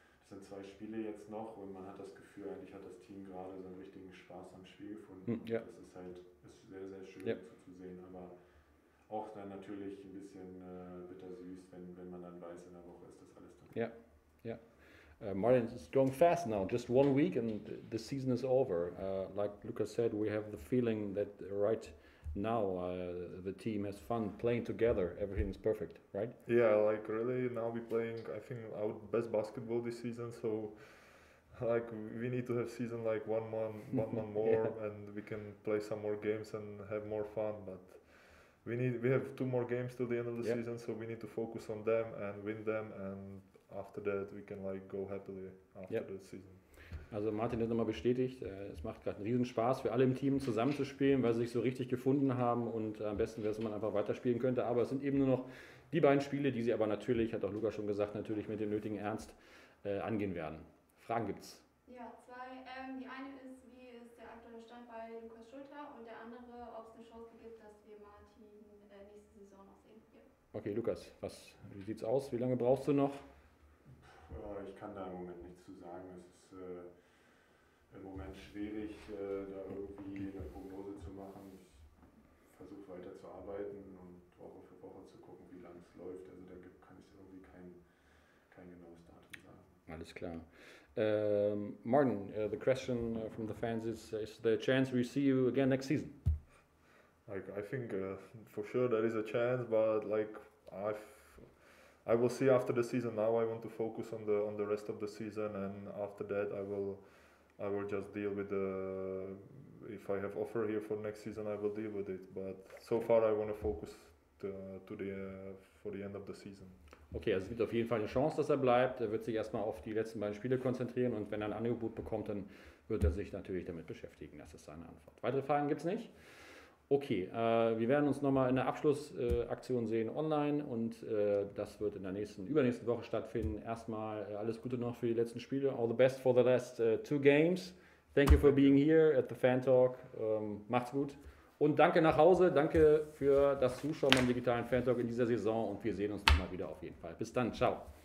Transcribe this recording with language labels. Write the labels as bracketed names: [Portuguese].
[German] Es sind 2 Spiele jetzt noch und man hat das Gefühl, eigentlich hat das Team gerade so einen richtigen Spaß am Spiel gefunden. Ja. Das ist halt sehr, sehr schön zu sehen, aber auch dann natürlich ein bisschen bittersüß, wenn man dann weiß, in der Woche ist das alles dann. Ja, ja. [English] Martin, it's going fast now, just 1 week and the season is over. Like Lucas said, we have the feeling that right now the team has fun playing together, everything is perfect, right? Yeah, like really now we're playing I think our best basketball this season, so like we need to have season like one month more. Yeah. And we can play some more games and have more fun, but we have 2 more games till the end of the season, so we need to focus on them and win them, and after that we can like go happily after the season. [German] Also Martin hat nochmal bestätigt, es macht gerade einen Riesenspaß für alle im Team zusammenzuspielen, weil sie sich so richtig gefunden haben und am besten wäre es, wenn man einfach weiterspielen könnte. Aber es sind eben nur noch die beiden Spiele, die sie aber natürlich, hat auch Luca schon gesagt, natürlich mit dem nötigen Ernst angehen werden. Fragen gibt's? Ja, 2. Die eine ist, wie ist der aktuelle Stand bei Lukas Schulter und der andere, ob es eine Chance gibt, dass wir Martin nächste Saison noch sehen. Ja. Okay, Lukas, wie sieht's aus? Wie lange brauchst du noch? kann da im Moment nichts zu sagen. Es ist im Moment schwierig, da irgendwie eine Prognose zu machen. Ich versuche weiter zu arbeiten und Woche für Woche zu gucken, wie lang es läuft. Also da kann ich irgendwie kein genaues Datum sagen. Alles klar. [English] Martin, the question from the fans is there a chance we see you again next season? I think for sure there is a chance, but like I will see after the season. Now I want to focus on the rest of the season, and after that I will just deal with the, if I have offer here for next season, I will deal with it. But so far I want to focus for the end of the season. [German] Okay, also es gibt auf jeden Fall eine Chance, dass er bleibt. Er wird sich erstmal auf die letzten beiden Spiele konzentrieren, und wenn er ein Angebot bekommt, dann wird er sich natürlich damit beschäftigen. Das ist seine Antwort. Weitere Fragen gibt es nicht? Okay, wir werden uns nochmal in der Abschlussaktion sehen online, und das wird in der nächsten, übernächsten Woche stattfinden. Erstmal alles Gute noch für die letzten Spiele. [English] All the best for the last two games. Thank you for being here at the Fan Talk. [German] Macht's gut. Und danke nach Hause. Danke für das Zuschauen beim digitalen Fan Talk in dieser Saison, und wir sehen uns nochmal wieder auf jeden Fall. Bis dann. Ciao.